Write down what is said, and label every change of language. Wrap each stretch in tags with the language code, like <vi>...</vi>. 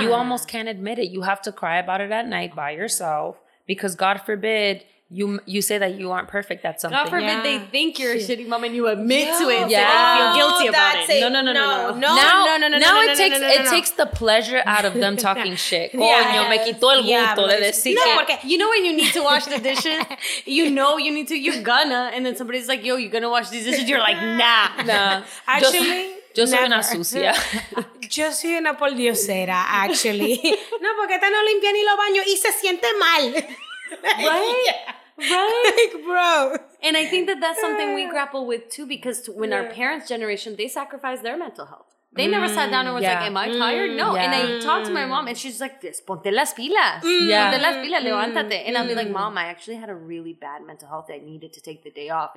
<en>You almost can't admit it. You have to cry about it at night by yourself because, God forbid, you say that you aren't perfect at something. God forbid they think you're a shitty mom and you admit to it. Yeah. So they feel guilty about it. Now it takes the pleasure out of them talking shit.</en> <es>Me quitó el gusto de decir. No, porque</es> <en>you know when you need to wash the dishes? You know you need to, you're gonna. And then somebody's like, yo, you're gonna wash these dishes? You're like, nah. Nah. Actually,</en> <es>yo soy una sucia. Yo soy una poldiosera, actually. No, porque esta no limpia ni los baños y se siente mal.</es> <en>Right? Yeah. Like, bro. And I think that that's something we grapple with too, because when our parents' generation, they sacrificed their mental health. They never sat down and was like, am I tired? No. Yeah. And I talked to my mom and she's like,</en> <es>ponte las pilas. Ponte las pilas, levántate.</es> <en>And I'll be like, mom, I actually had a really bad mental health that I needed to take the day off.</en>